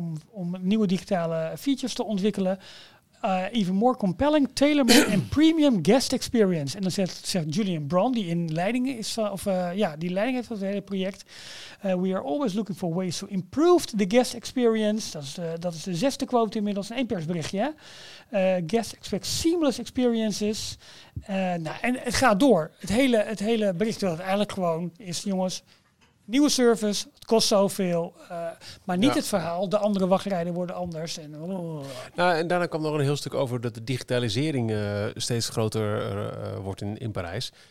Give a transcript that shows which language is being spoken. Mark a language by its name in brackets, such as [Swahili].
[Dutch] Om nieuwe digitale features te ontwikkelen. [English] Even more compelling, tailor-made en premium guest experience. [Dutch] En dan zegt Julian Brand, die in leiding is, die leiding heeft van het hele project. [English] We are always looking for ways to improve the guest experience. [Dutch] Dat is de 6e quote inmiddels, een persberichtje. [English] Guests expect seamless experiences. [Dutch] En het gaat door. Het hele bericht dat eigenlijk gewoon is, jongens, nieuwe service, het kost zoveel, maar niet het verhaal. De andere wachtrijden worden anders. En nou, en daarna kwam nog een heel stuk over dat de digitalisering steeds groter wordt in Parijs.